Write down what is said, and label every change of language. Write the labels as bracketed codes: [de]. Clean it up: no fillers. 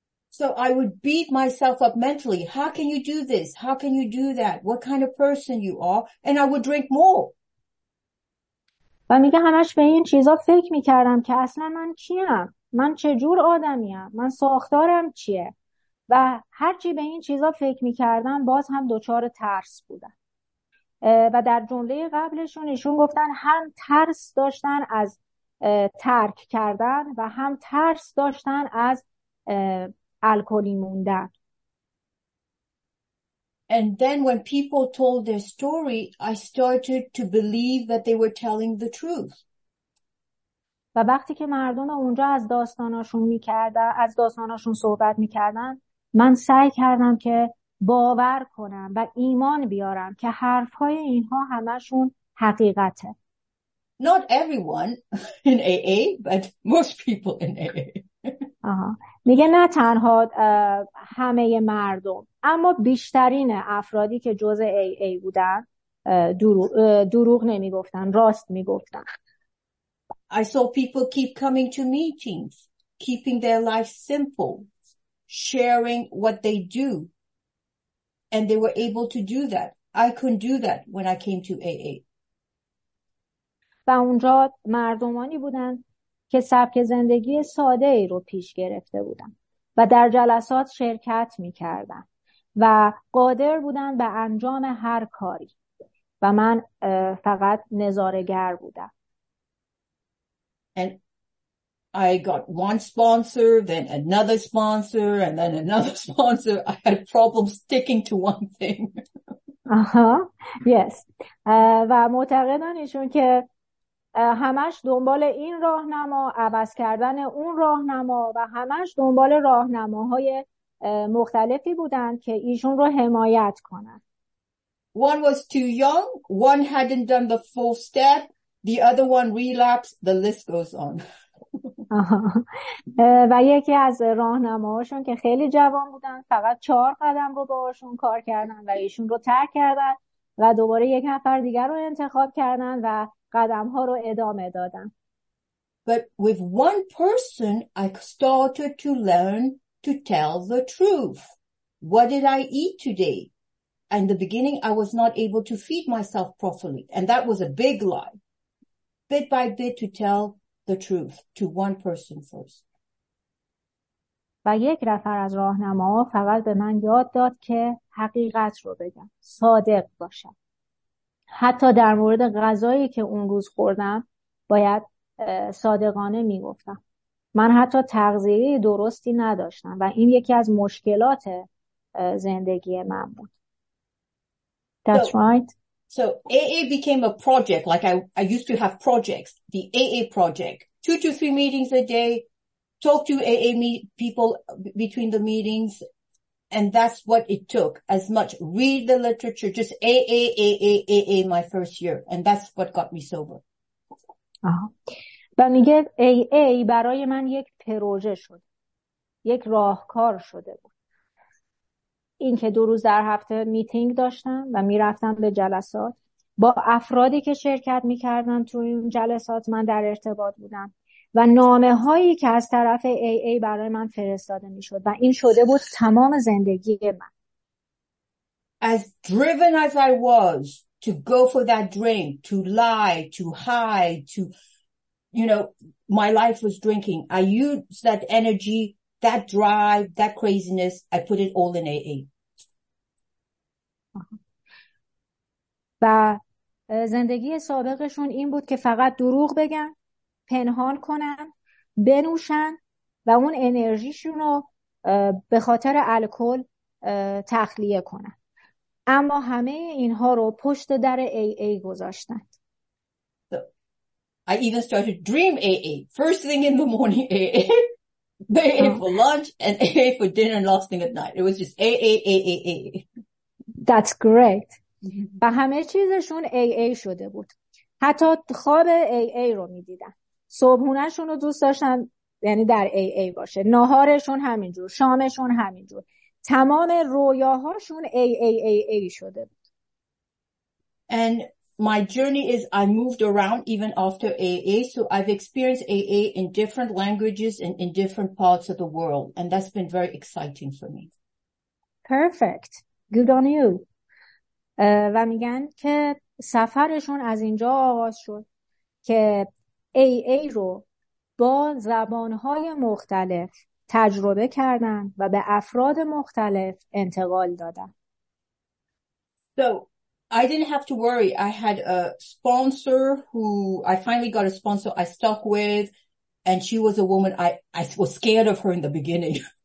[en] So I would beat myself up mentally. How can you do this? How can you do that? What kind of person you are? And I would drink more. [fa] و میگه همش به این چیزا فکر میکردم که اصلا من کیم؟ من چجور آدمیم؟ من ساختارم چیه؟ و هرچی به این چیزا فکر میکردم باز هم دچار ترس بودن. و در جمله قبلشون ایشون گفتن هم ترس داشتن از ترک کردن و هم ترس داشتن از الکلی موندن. [en] And then when people told their story, I started to believe that they were telling the truth. [fa] و وقتی که مردم اونجا از داستاناشون می‌کردن، از داستاناشون صحبت می‌کردن، من سعی کردم که باور کنم و ایمان بیارم که حرف‌های اینها همه‌شون حقیقته. [en] Not everyone in AA, but most people in AA. [fa] آها. میگه نه تنها همه مردم، اما بیشترین افرادی که جزء AA بودن دروغ نمی گفتن، راست می گفتن. [en] I saw people keep coming to meetings, keeping their life simple, sharing what they do, and they were able to do that. I couldn't do that when I came to AA. [fa] و اونجا مردمانی بودن که سبک زندگی ساده ای رو پیش گرفته بودن و در جلسات شرکت می کردن و قادر بودن به انجام هر کاری و من فقط نظاره‌گر بودم. [en] And I got one sponsor, then another sponsor, and then another sponsor. I had problems sticking to one thing. Yes. [fa] و معتقدن ایشون که همش دنبال این راهنما، عوض کردن اون راهنما و همش دنبال راهنماهای مختلفی بودن که ایشون رو حمایت کنن. [en] One was too young, one hadn't done the full step, the other one relapsed, the list goes on. [fa] و یکی از راهنماهاشون که خیلی جوان بودن فقط 4 قدم رو باهاشون کار کردن و ایشون رو ترک کردن و دوباره یک نفر دیگر رو انتخاب کردن و قدم ها رو ادامه دادن. [en] But with one person I started to learn to tell the truth. What did I eat today? In the beginning I was not able to feed myself properly and that was a big lie. Bit by bit to tell the truth to one person first. [fa] و یک نفر از راهنماها فقط به من یاد داد که حقیقت رو بگم، صادق باشم. حتی در مورد غذایی که اون روز خوردم باید صادقانه میگفتم. من حتی تغذیه درستی نداشتم و این یکی از مشکلات زندگی من بود. [en] That's so, right. So AA became a project, like I used to have projects, the AA project. 2 to 3 meetings a day, talk to AA people between the meetings. And that's what it took, as much read the literature, just AA my first year. And that's what got me sober. [fa] آها. و میگه AA برای من یک پروژه شد. یک راهکار شده بود. این که 2 روز در هفته میتینگ داشتم و میرفتم به جلسات. با افرادی که شرکت میکردن تو این جلسات من در ارتباط بودم. و نامه هایی که از طرف AA برای من فرستاده می شد و این شده بود تمام زندگی من. [en] As driven as I was to go for that drink, to lie, to hide, to, you know, my life was drinking. I used that energy, that drive, that craziness, I put it all in AA. [fa] و زندگی سابقشون این بود که فقط دروغ بگن، پنهان کنن، بنوشن و اون انرژیشون رو به خاطر الکل تخلیه کنن. اما همه اینها رو پشت در AA گذاشتن. [en] So, I even started dream AA. First thing in the morning AA. The AA for lunch and AA for dinner and last thing at night. It was just AA. That's great. [fa] و همه چیزشون AA شده بود. حتی خواب AA رو می دیدن. صبحونه‌شون رو دوست داشتن، یعنی در AA باشه. ناهارشون همینجور، شامشون همینجور. تمام رویاهاشون AA شده بود. [en] And my journey is I moved around even after AA, so I've experienced AA in different languages and in different parts of the world, and that's been very exciting for me. Perfect. Good on you. [fa] و میگن که سفرشون از اینجا آغاز شد که AA رو با زبانهای مختلف تجربه کردن و به افراد مختلف انتقال دادن. [en] So, I didn't have to worry. I had a sponsor who, I finally got a sponsor I stuck with, and she was a woman, I was scared of her in the beginning.